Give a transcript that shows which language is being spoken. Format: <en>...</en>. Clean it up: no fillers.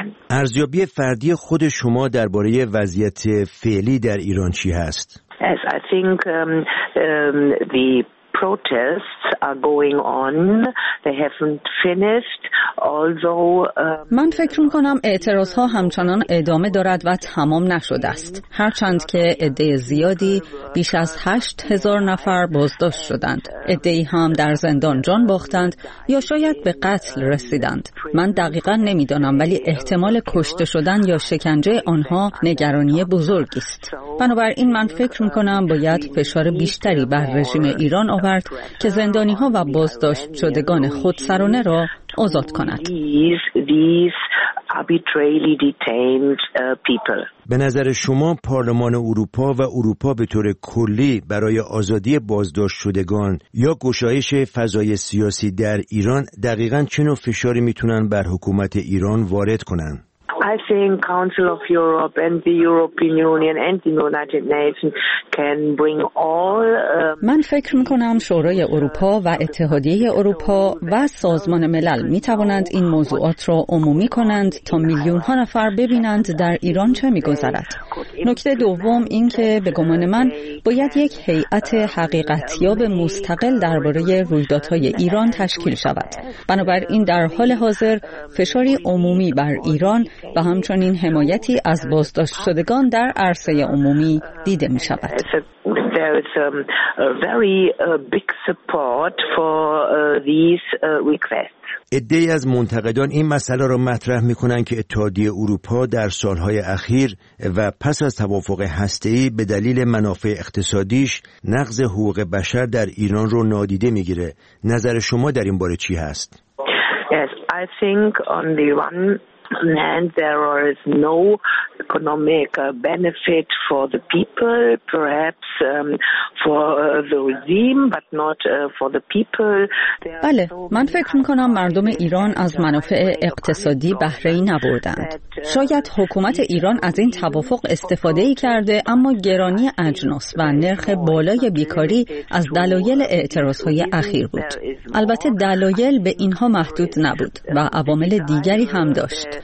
<fa>ارزیابی فردی خود شما درباره وضعیت فعلی در ایران چی هست؟</fa> <en>Yes, I think the protests are going on. They haven't finished.</en> <fa>من فکر میکنم اعتراض‌ها همچنان ادامه دارد و تمام نشده است. هرچند که عده زیادی بیش از 8000 نفر بازداشت شدند. عده‌ای هم در زندان جان باختند یا شاید به قتل رسیدند. من دقیقا نمیدانم ولی احتمال کشته شدن یا شکنجه آنها نگرانی بزرگی است. بنابراین من فکر میکنم باید فشار بیشتری بر رژیم ایران آورد که زندانی‌ها و بازداشت شدگان خودسرانه را آزاد کند. به نظر شما پارلمان اروپا و اروپا به طور کلی برای آزادی بازداشت شدگان یا گشایش فضای سیاسی در ایران دقیقاً چه نوع فشاری میتونن بر حکومت ایران وارد کنن؟</fa> <en>I think Council of Europe and the European Union and the United Nations can bring all</en> <fa>من فکر می‌کنم شورای اروپا و اتحادیه اروپا و سازمان ملل می‌توانند این موضوعات را عمومی کنند تا میلیون‌ها نفر ببینند در ایران چه می‌گذرد. نکته دوم این که به گمان من باید یک هیئت حقیقت‌یاب مستقل درباره رویدادهای ایران تشکیل شود. بنابراین در حال حاضر فشاری عمومی بر ایران و همچنین حمایتی از بازداشت شدگان در عرصه عمومی دیده می شود. عده‌ای از منتقدان این مسئله را مطرح می کنند که اتحادیه اروپا در سالهای اخیر و پس از توافق هسته‌ای به دلیل منافع اقتصادیش نقض حقوق بشر در ایران را نادیده می گیره. نظر شما در این باره چی هست؟</fa> <en>Yes, I think on the one and there is no economic benefit for the people, perhaps for the regime, but not for the people.</en> <fa>بله، من فکر می‌کنم مردم ایران از منافع اقتصادی بهره‌ای نبردند. شاید حکومت ایران از این توافق استفاده‌ای کرده، اما گرانی اجناس و نرخ بالای بیکاری از دلایل اعتراض‌های اخیر بود. البته دلایل به اینها محدود نبود و عوامل دیگری هم داشت.</fa>